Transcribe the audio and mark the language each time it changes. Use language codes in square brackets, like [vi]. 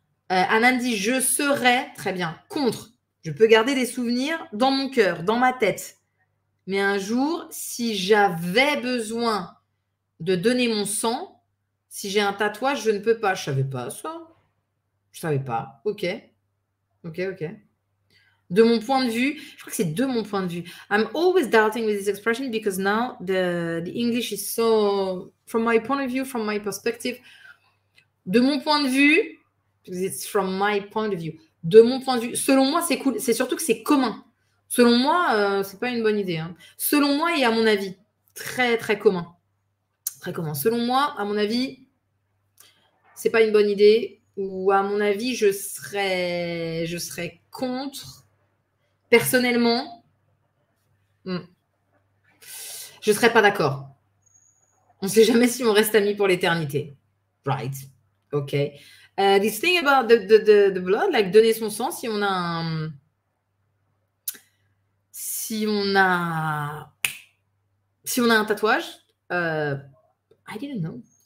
[fr] Anand dit, je serais, très bien, contre. Je peux garder des souvenirs dans mon cœur, dans ma tête. Mais un jour, si j'avais besoin de donner mon sang, si j'ai un tatouage, je ne peux pas. Je ne savais pas ça. Je ne savais pas. Ok, ok, ok. De mon point de vue, je crois que c'est de mon point de vue. [en] I'm always doubting with this expression because now the English is so... From my point of view, from my perspective, [fr] de mon point de vue, [en] because it's from my point of view, [fr] de mon point de vue, selon moi, c'est cool. C'est surtout que c'est commun. Selon moi, c'est pas une bonne idée. Hein. Selon moi et à mon avis, très, très commun. Très commun. Selon moi, à mon avis, c'est pas une bonne idée, ou à mon avis, je serais contre, personnellement. Je serais pas d'accord. On sait jamais si on reste amis pour l'éternité. [en] Right. OK. This thing about the blood, like [fr] donner son sang, si on a un tatouage, [en] I didn't know.